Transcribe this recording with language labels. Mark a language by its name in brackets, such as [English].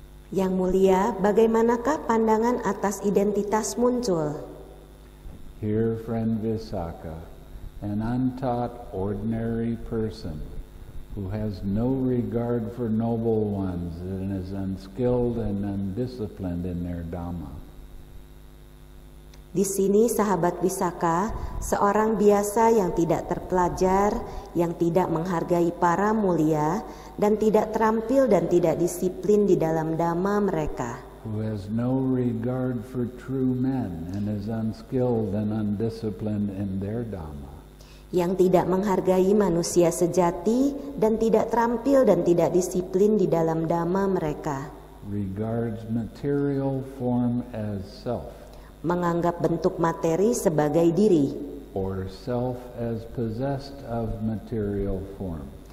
[Indonesian] Yang mulia, bagaimanakah pandangan atas identitas muncul? [English] Here, friend Visakha, an untaught ordinary person who has no regard for noble ones and is unskilled and undisciplined in their dhamma. [Indonesian] Di sini, sahabat Visakha, seorang biasa yang tidak terpelajar, yang tidak menghargai para mulia, dan tidak terampil dan tidak disiplin di dalam dhamma mereka. [English] Who has no regard for true men and is unskilled and undisciplined in their dhamma. [Indonesian] Yang tidak menghargai manusia sejati dan tidak terampil dan tidak disiplin di dalam dhamma mereka. [English] Regards material form as self. [Indonesian] Menganggap bentuk materi sebagai diri. [English] Or self as possessed of material form.